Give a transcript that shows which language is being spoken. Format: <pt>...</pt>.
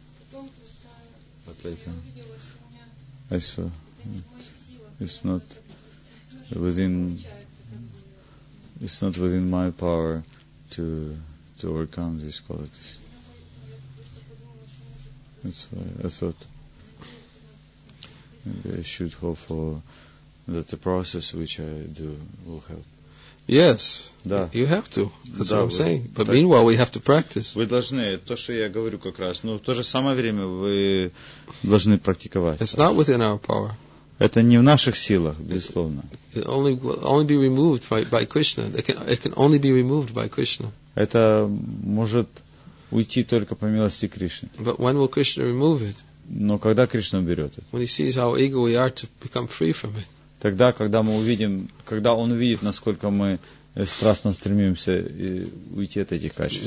<en>But later I saw it's not within my power to overcome these qualities. That's why I thought maybe I should hope for that the process which I do will help. Yes,</en> <ru>да.</ru> <en>You have to. That's what I'm saying. But</en> <ru>так,</ru> <en>meanwhile, we have to practice.</en> <ru>Вы должны, то, что я говорю как раз, но в то же самое время вы должны практиковать.</ru> <en>It's not within our power.</en> <ru>Это не в наших силах, безусловно.</ru> <en>It only be removed by Krishna. It can only be removed by Krishna.</en> <ru>Это может уйти только по милости Кришны.</ru> <en>But when will Krishna remove it?</en> <ru>Но когда Кришна уберет это?</ru> <en>When he sees how eager we are to become free from it.</en> <ru>Тогда, когда мы увидим, когда он увидит, насколько мы страстно стремимся уйти от этих качеств,</ru>